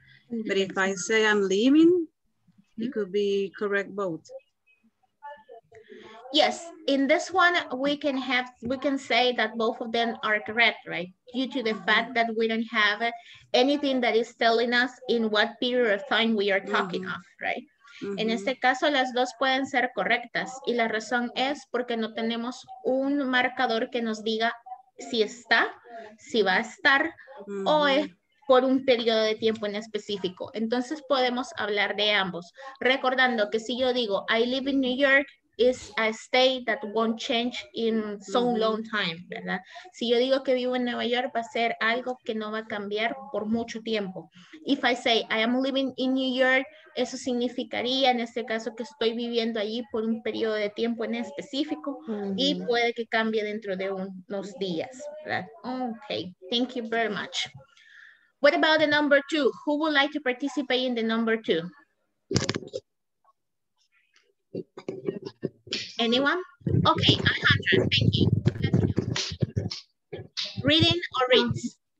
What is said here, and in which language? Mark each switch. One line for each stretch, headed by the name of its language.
English: But if I say I'm leaving, it could be correct both. Yes, in this one, we can say that both of them are correct, right? Due to the fact that we don't have anything that is telling us in what period of time we are talking of, right?
Spanish: En este caso, las dos pueden ser correctas. Y la razón es porque no tenemos un marcador que nos diga si está, si va a estar, o es por un periodo de tiempo en específico. Entonces, podemos hablar de ambos. Recordando que si yo digo,
English: I live in New York, is a state that won't change in so long time,
Spanish: ¿verdad? Si yo digo que vivo en Nueva York, va a ser algo que no va a cambiar por mucho tiempo.
English: If I say I am living in New York,
Spanish: eso significaría en este caso que estoy viviendo allí por un periodo de tiempo en específico y puede que cambie dentro de unos días, ¿verdad?
English: Okay, thank you very much. What about the number two? Who would like to participate in the number two? Anyone? Okay, Alejandra, thank you. Let's go. Reading or reads?